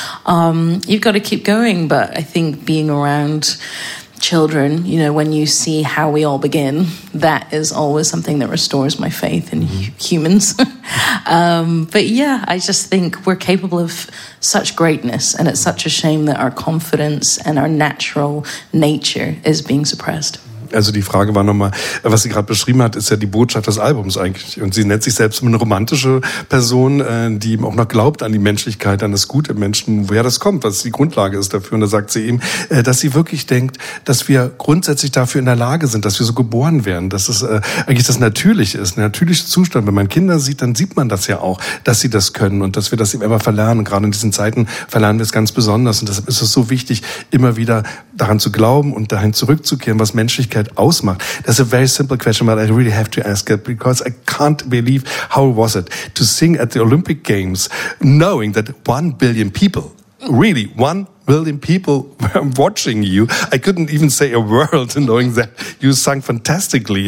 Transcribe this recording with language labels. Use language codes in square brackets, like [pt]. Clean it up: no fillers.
[en] You've got to keep going, but I think being around children, when you see how we all begin, that is always something that restores my faith in humans. I just think we're capable of such greatness, and it's such a shame that our confidence and our natural nature is being suppressed. [de] Also die Frage war nochmal, was sie gerade beschrieben hat, ist ja die Botschaft des Albums eigentlich. Und sie nennt sich selbst eine romantische Person, die eben auch noch glaubt an die Menschlichkeit, an das Gute im Menschen, woher das kommt, was die Grundlage ist dafür. Und da sagt sie eben, dass sie wirklich denkt, dass wir grundsätzlich dafür in der Lage sind, dass wir so geboren werden, dass es eigentlich das Natürliche ist, ein natürlicher Zustand. Wenn man Kinder sieht, dann sieht man das ja auch, dass sie das können und dass wir das eben immer verlernen. Gerade in diesen Zeiten verlernen wir es ganz besonders. Und deshalb ist es so wichtig, immer wieder daran zu glauben und dahin zurückzukehren, was Menschlichkeit ausmacht. [en] That's a very simple question, but I really have to ask it because I can't believe how was it to sing at the Olympic Games knowing that 1 billion people, really 1 billion million people were watching you. I couldn't even say a word knowing that you sang fantastically.